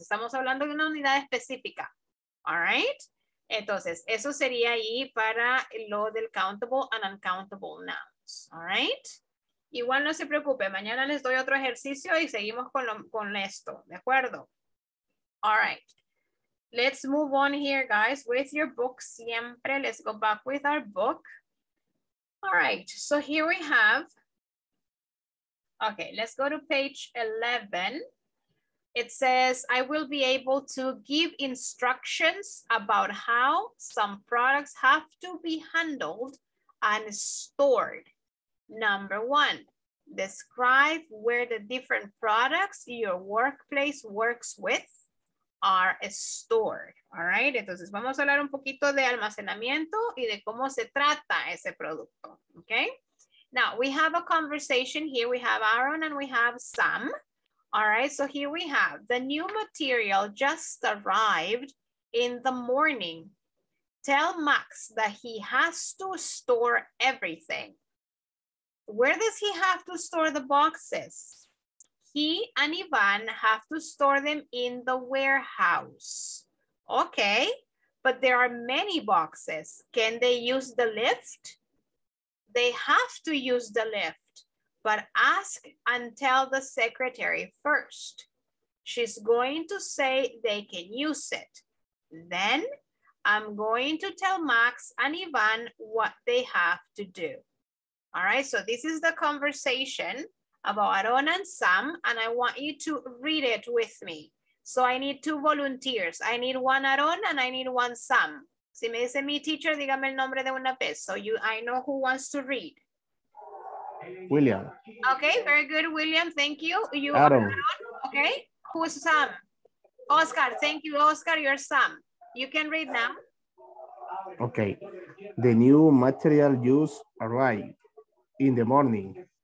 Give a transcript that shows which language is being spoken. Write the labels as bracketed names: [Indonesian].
[Spanish] Estamos hablando de una unidad específica. [English] All right? [Spanish] Entonces, eso sería ahí para lo del countable and uncountable nouns. [English] All right? [Spanish] Igual no se preocupe, mañana les doy otro ejercicio y seguimos con esto, ¿de acuerdo? [English] All right. Let's move on here, guys, with your book siempre. Let's go back with our book. All right, so here we have... Okay, let's go to page 11. It says, I will be able to give instructions about how some products have to be handled and stored. Number one, describe where the different products your workplace works with are stored. All right, [Spanish] entonces vamos a hablar un poquito de almacenamiento y de cómo se trata ese producto, okay? [English] Now, we have a conversation here. We have Aaron and we have Sam. All right, so here we have the new material just arrived in the morning. Tell Max that he has to store everything. Where does he have to store the boxes? He and Ivan have to store them in the warehouse. Okay, but there are many boxes. Can they use the lift? They have to use the lift, but ask and tell the secretary first. She's going to say they can use it. Then I'm going to tell Max and Ivan what they have to do. All right, so this is the conversation about Aaron and Sam, and I want you to read it with me. So I need 2 volunteers. I need 1 Aaron and I need 1 Sam. [Spanish] Si me dice mi teacher, dígame el nombre de una vez. [English] So you, I know who wants to read. William. Okay, very good, William. Thank you. You Aaron. Are Aaron. Okay, who's Sam? Oscar, thank you, Oscar. You're Sam. You can read now. Okay. The new material use arrived in the morning.